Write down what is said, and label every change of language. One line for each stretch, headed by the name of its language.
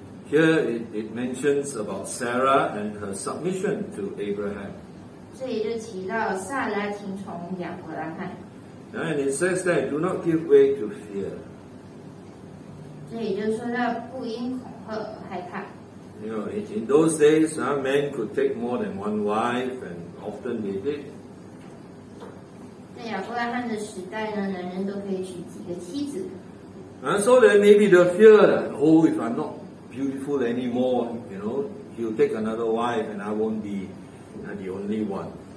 English: Here it mentions about Sarah and her submission to Abraham.
Chinese: 这里就提到萨拉听从亚伯拉罕。
English: And it says that do not give way to fear.
Chinese: 所以就说到不应恐吓而害怕。
English: You know, in those days, men could take more than one wife, and often they did.
Chinese: 在亚伯拉罕的时代呢，男人都可以娶几个妻子。
English: So there may be the fear that, oh, if I'm not beautiful anymore, you know, he'll take another wife, and I won't be the only one.